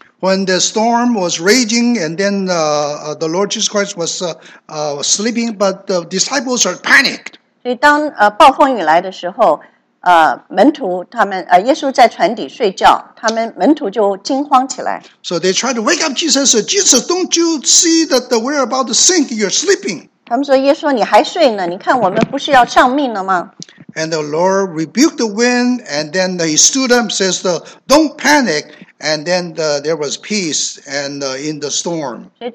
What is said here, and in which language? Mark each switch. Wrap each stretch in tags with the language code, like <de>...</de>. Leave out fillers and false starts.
<en>When the storm was raging and then the Lord Jesus Christ was sleeping, but the disciples are panicked.</en> <zh>所以当暴风雨来的时候,耶稣在船底睡觉,门徒就惊慌起来。</zh> <en>So they tried to wake up Jesus and said, Jesus, don't you see that we're about to sink, you're sleeping.</en> <zh>他们说,耶稣,你还睡呢,你看我们不是要丧命了吗?</zh> <en>And the Lord rebuked the wind and then he stood up and says, don't panic. And then there was peace and in the storm.</en>